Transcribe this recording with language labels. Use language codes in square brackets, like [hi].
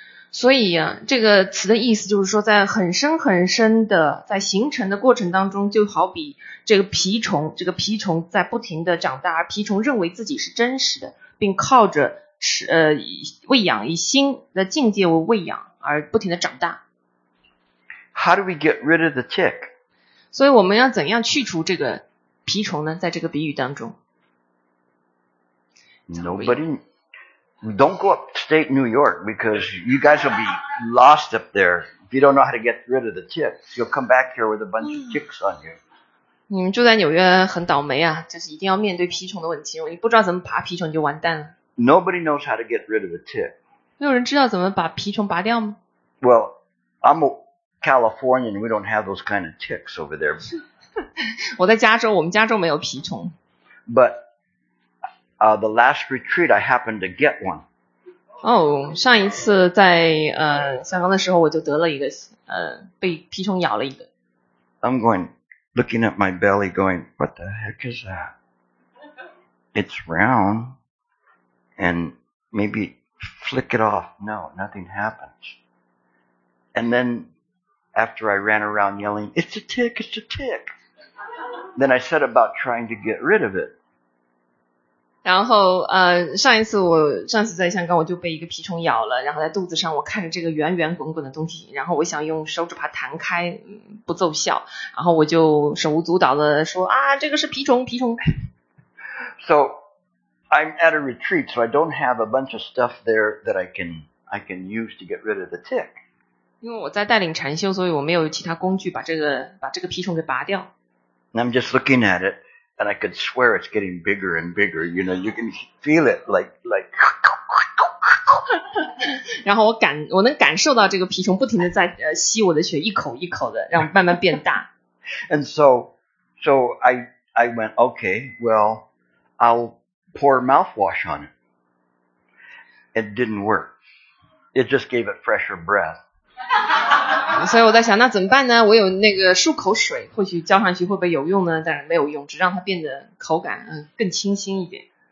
[zh] 所以啊，这个词的意思就是说，在很深很深的在形成的过程当中，就好比这个蜱虫，这个蜱虫在不停地长大，而蜱虫认为自己是真实的，并靠着吃喂养以心的境界为喂养而不停地长大。 [en] How do we get rid of the tick? [zh] 所以我们要怎样去除这个蜱虫呢？在这个比喻当中。 [en] Nobody, don't go upstate New York because you guys will be lost up there. If you don't know how to get rid of the ticks, you'll come back here with a bunch of ticks on you. [zh] 你们住在纽约很倒霉啊，就是一定要面对蜱虫的问题。你不知道怎么爬蜱虫，你就完蛋了。 [en] Nobody knows how to get rid of the tick. [zh] 没有人知道怎么把蜱虫拔掉吗？ [en] Well, I'm a Californian. We don't have those kind of ticks over there. [zh] 我在加州，我们加州没有蜱虫。 [en] But, the last retreat, I happened to get one. [zh] 哦，上一次在香港的时候，我就得了一个被蜱虫咬了一个。 [en] I'm going, looking at my belly, going, what the heck is that? It's round. And maybe flick it off. No, nothing happens. And then after I ran around yelling, it's a tick, it's a tick. Then I set about trying to get rid of it. [zh] 然后上次在香港我就被一个蜱虫咬了，然后在肚子上我看着这个圆圆滚滚的东西，然后我想用手指把它弹开，不奏效，然后我就手舞足蹈的说啊，这个是蜱虫，蜱虫。 [en] So,I'm at a retreat, so I don't have a bunch of stuff there that I can use to get rid of the tick. [zh] 因为我在带领禅修，所以我没有其他工具把这个蜱虫给拔掉。 [en] And I'm just looking at it, and I could swear it's getting bigger and bigger. You know, you can feel it like. [zh] 然后我能感受到这个蜱虫不停的在吸我的血，一口一口的，让慢慢变大。 [en] And so I went, okay, well, I'll. Pour mouthwash on it. It didn't work. It just gave it fresher breath. [zh] 所以我在想，那怎么办呢？我有那个漱口水，或许浇上去会不会有用呢？但是没有用，只让它变得口感更清新一点。